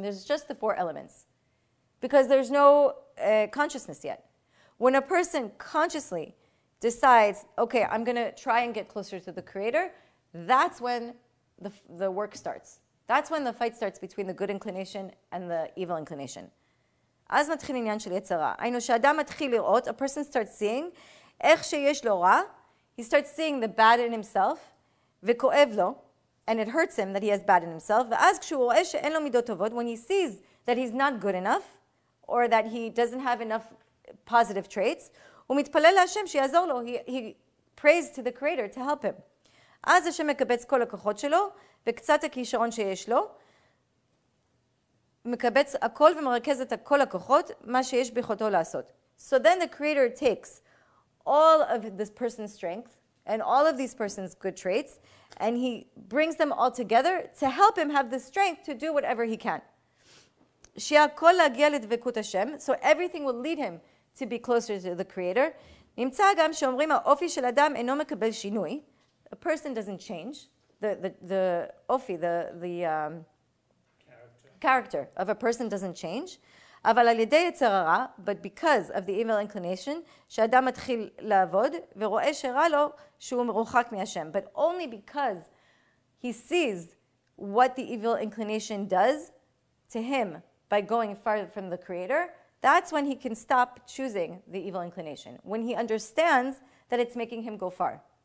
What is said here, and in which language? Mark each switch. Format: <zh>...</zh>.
<en>There's just the four elements. Because there's no consciousness yet. When a person consciously decides, okay, I'm going to try and get closer to the Creator, that's when the work starts. That's when the fight starts between the good inclination and the evil inclination.</en> <he>אז מתחיל עניין של יצר רע. היינו שאדם מתחיל לראות,</he> <en>a person starts seeing,</en> <he>איך שיש לו רע,</he> <en>he starts seeing the bad in himself,</en> <he>וכואב לו,</he> <en>and it hurts him that he has bad in himself,</en> <he>ואז כשהוא רואה שאין לו מידות טובות,</he> <en>when he sees that he's not good enough, or that he doesn't have enough positive traits,</en> <he>הוא מתפלל להשם שיעזור לו.</he> <en>He prays to the Creator to help him.</en> <he>אז השם מקבץ כל הכוחות שלו וקצת הכישרון שיש לו. מקבץ הכל ומרכז את כל הכוחות מה שיש ביכולתו לעשות.</he> <en>So then the Creator takes all of this person's strength and all of these person's good traits and he brings them all together to help him have the strength to do whatever he can.</en> <he>שהכל להגיע לדבקות השם.</he> <en>So everything will lead him to be closer to the Creator.</en> <he>נמצא גם שאומרים האופי של אדם אינו מקבל שינוי.</he> <en>A person doesn't change. The אופי, the character of a person doesn't change.</en> <he>אבל על ידי יצר הרע,</he> <en>but because of the evil inclination,</en> <he>שאדם מתחיל לעבוד ורואה שרע לו שהוא מרוחק מהשם.</he> <en>But only because he sees what the evil inclination does to him by going far from the Creator, that's when he can stop choosing the evil inclination, when he understands that it's making him go far.</en>